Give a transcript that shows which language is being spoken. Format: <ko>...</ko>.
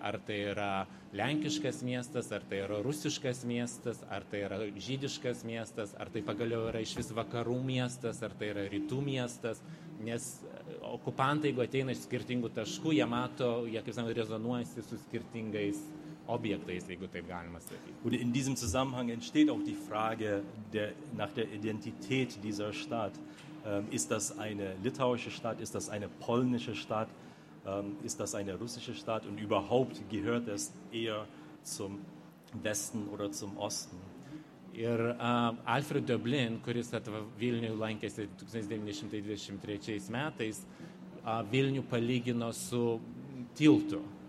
<lt>Ar tai yra lenkiškas miestas, ar tai yra rusiškas miestas, ar tai yra žydiškas miestas, ar tai pagaliau yra iš vis vakarų miestas, ar tai yra rytų miestas, nes okupantai, jeigu ateina iš skirtingų taškų, jie mato, jie, kaip sakant, rezonuojasi su skirtingais objektais, jeigu taip galima sakyti.</lt> <de>Und in diesem Zusammenhang entsteht auch die Frage nach der Identität dieser Stadt. Ist das eine litauische Stadt? Ist das eine polnische Stadt? Ist das eine russische Stadt? Und überhaupt gehört es eher zum Westen oder zum Osten?</de> <lt>Ir Alfred Döblin, kuris Vilnių lankėsi 1923 metais, Vilnių palygino su tiltu.</lt>